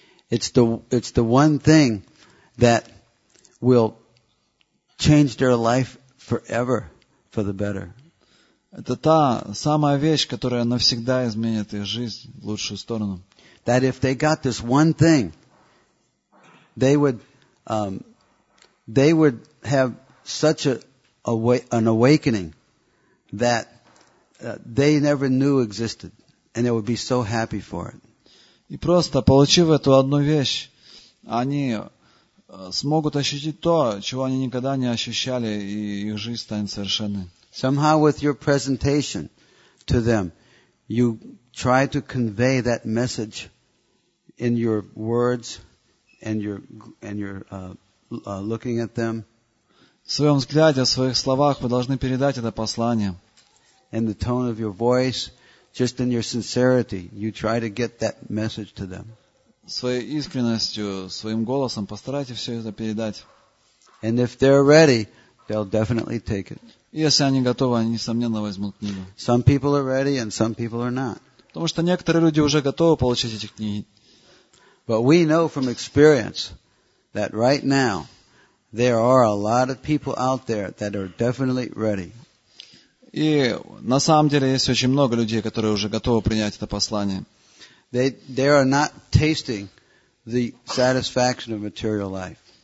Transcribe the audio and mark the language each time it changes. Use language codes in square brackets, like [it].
[en] It's the one thing that will change their life forever for the better. [ru] Это та самая вещь, которая навсегда изменит их жизнь в лучшую сторону. [en] That if they got this one thing, they would have such an awakening that they never knew existed, and they would be so happy for it. [ru] И просто получив эту одну вещь, они смогут ощутить то, чего они никогда не ощущали, и их жизнь станет совершенной. [en] Somehow with your presentation to them, you try to convey that message in your words and your looking at them. [ru] В своем взгляде, в своих словах вы должны передать это послание. [en] In the tone of your voice, just in your sincerity, you try to get that message to them. [ru] Своей искренностью, своим голосом постарайтесь все это передать. [en] And if they're ready, they'll definitely take it. [ru] Если они готовы, они, несомненно, возьмут книгу. [en] Some people are ready and some people are not. [ru] Потому что некоторые люди уже готовы получить эти книги. [en] But we know from experience that right now there are a lot of people out there that are definitely ready. [ru] И на самом деле есть очень много людей, которые уже готовы принять это послание. [en] They are not tasting the satisfaction of material life.